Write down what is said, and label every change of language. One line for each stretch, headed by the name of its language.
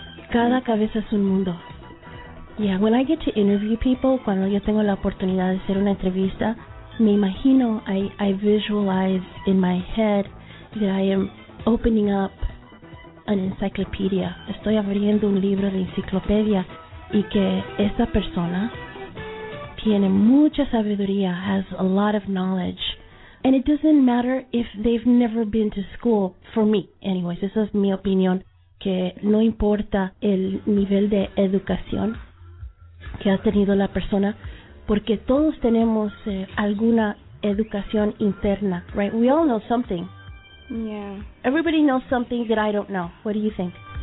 Spanish: Cada cabeza es un mundo.
English: Yeah, when I get to interview people,
Spanish: cuando yo tengo la oportunidad de hacer una entrevista, me imagino,
English: I visualize in my head that I am opening up an encyclopedia.
Spanish: Estoy abriendo un libro de enciclopedia y que esa persona tiene mucha sabiduría,
English: has a lot of knowledge. And it doesn't matter if they've never been to school, for me, anyways.
Spanish: Esa es mi opinión, que no importa el nivel de educación que ha tenido la persona, porque todos tenemos alguna educación interna, right?
English: We all know something. Yeah. Everybody knows something that I don't know. What do you think?